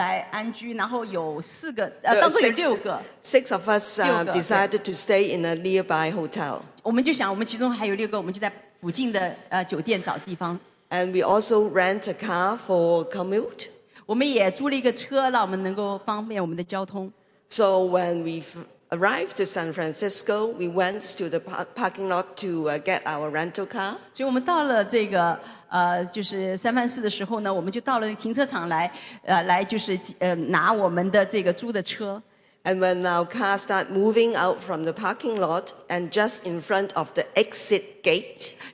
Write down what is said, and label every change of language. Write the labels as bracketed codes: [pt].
[zh] 没有地方能够完全的把我们能够来安居，然后有四个，当中有六个。 [en] Six of us decided to stay in a nearby hotel. [zh] 我们就想，我们其中还有六个，我们就在附近的酒店找地方。 [en] And we also rent a car for commute. [zh] 我们也租了一个车，让我们能够方便我们的交通。 [en] So when we arrived to San Francisco, we went to the parking lot to get our rental car. [zh] 所以我们到了这个就是三藩市的时候呢，我们就到了停车场来，来就是拿我们的这个租的车。 [en] And when our car start moving out from the parking lot and just in front of the exit gate,